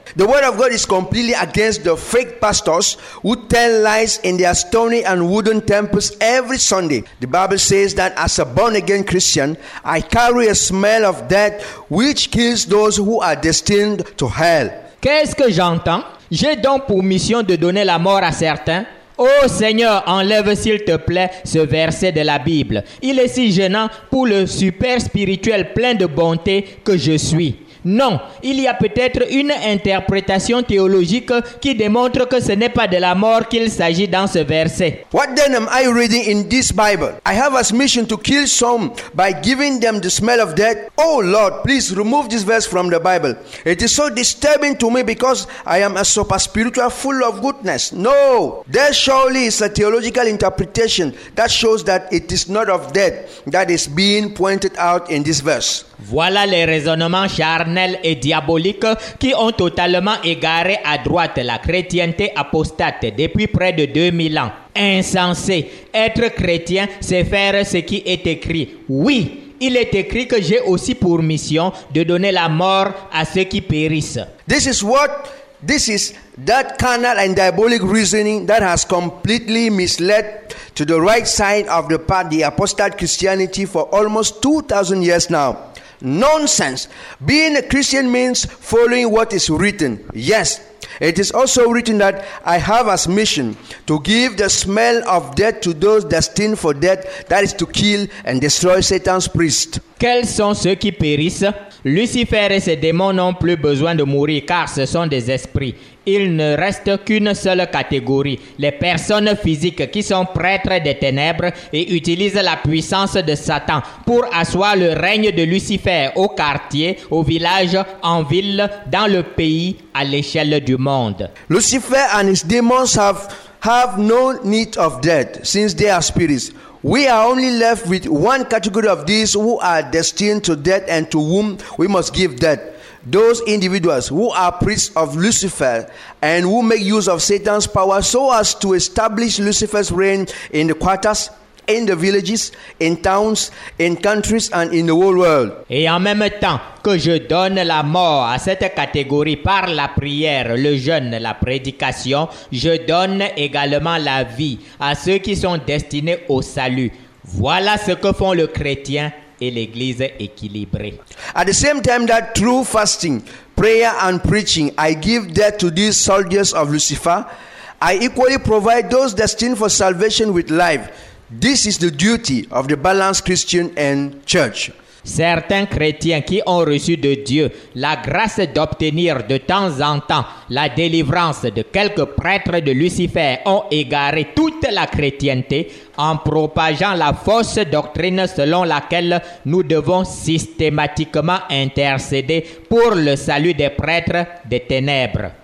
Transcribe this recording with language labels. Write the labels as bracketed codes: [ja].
[en] The word of God is completely against the fake pastors who tell lies in their stony and wooden temples every Sunday. The Bible says that as a born-again Christian, I carry a smell of death which kills those who are destined to hell. [fr] Qu'est-ce que j'entends? J'ai donc pour mission de donner la mort à certains. Ô Seigneur, enlève s'il te plaît ce verset de la Bible. Il est si gênant pour le super spirituel plein de bonté que je suis. Non, il y a peut-être une interprétation théologique qui démontre que ce n'est pas de la mort qu'il s'agit dans ce verset. [en] What then am I reading in this Bible? I have as mission to kill some by giving them the smell of death. Oh Lord, please remove this verse from the Bible. It is so disturbing to me because I am a super spiritual full of goodness. No, there surely is a theological interpretation that shows that it is not of death that is being pointed out in this verse. [fr] Voilà les raisonnements charnels et diaboliques qui ont totalement égaré à droite la chrétienté apostate depuis près de 2000 ans. Insensé, être chrétien, c'est faire ce qui est écrit. Oui, il est écrit que j'ai aussi pour mission de donner la mort à ceux qui périssent. [en] This is what this is. That carnal and diabolic reasoning that has completely misled to the right side of the path the apostate Christianity for almost 2,000 years now. nonsense. Being a Christian means following what is written. Yes, it is also written that I have as mission to give the smell of death to those destined for death, that is to kill and destroy Satan's priest. [fr] Quels sont ceux qui périssent? Lucifer et ses démons n'ont plus besoin de mourir car ce sont des esprits. Il ne reste qu'une seule catégorie, les personnes physiques qui sont prêtres des ténèbres et utilisent la puissance de Satan pour asseoir le règne de Lucifer au quartier, au village, en ville, dans le pays, à l'échelle du monde. [en] Lucifer and his demons have no need of death since they are spirits. We are only left with one category of these who are destined to death and to whom we must give death. Those individuals who are priests of Lucifer and who make use of Satan's power so as to establish Lucifer's reign in the quarters, in the villages, in towns, in countries and in the whole world. [fr] Et en même temps que je donne la mort à cette catégorie par la prière, le jeûne, la prédication, je donne également la vie à ceux qui sont destinés au salut. Voilà ce que font le chrétien et l'église équilibrée. [en] At the same time that through fasting, prayer and preaching, I give death to these soldiers of Lucifer, I equally provide those destined for salvation with life. This is the duty of the balanced Christian and church. [fr] Certains chrétiens qui ont reçu de Dieu la grâce d'obtenir de temps en temps la délivrance de quelques prêtres de Lucifer ont égaré toute la chrétienté en propageant la fausse doctrine selon laquelle nous devons systématiquement intercéder pour le salut des prêtres des ténèbres.